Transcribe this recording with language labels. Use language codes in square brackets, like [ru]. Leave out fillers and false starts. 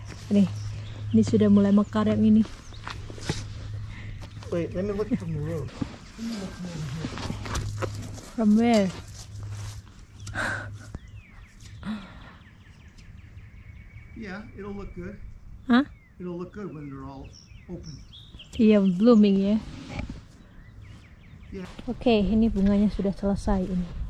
[id] Nih, ini sudah mulai mekar yang ini. [en] Wait, let me look from the room. From where? Yeah, it'll look good. Huh? It'll look good when they're all open. Yeah, blooming, yeah? Yeah. [id] Okay, ini bunganya sudah selesai ini.